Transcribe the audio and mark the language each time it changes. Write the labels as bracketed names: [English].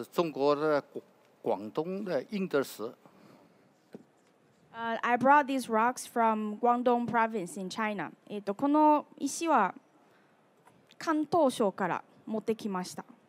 [Chinese] 这些石头呢是中国的广东的硬德石。 [English] I brought these rocks from Guangdong province in China. [Japanese] この石は関東省から持ってきました。